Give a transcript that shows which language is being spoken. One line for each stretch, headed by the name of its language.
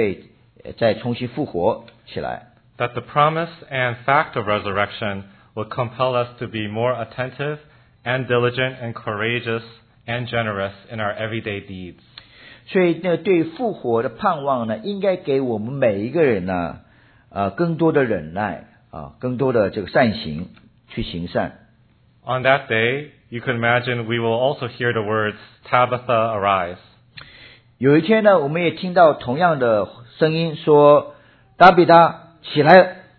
Chinese: 但是基督徒有一个更好的盼望，就是当我们这个死了以后，我们要被再重新复活起来。
English: That the promise and fact of resurrection will compel us to be more attentive and diligent and courageous and generous in our everyday deeds.
Chinese: 所以那对复活的盼望呢，应该给我们每一个人呢，更多的忍耐。
English: On that day, you can imagine we will also hear the words, Tabitha, arise.
Chinese: 有一天呢，我们也听到同样的声音说， Tabitha, 起来。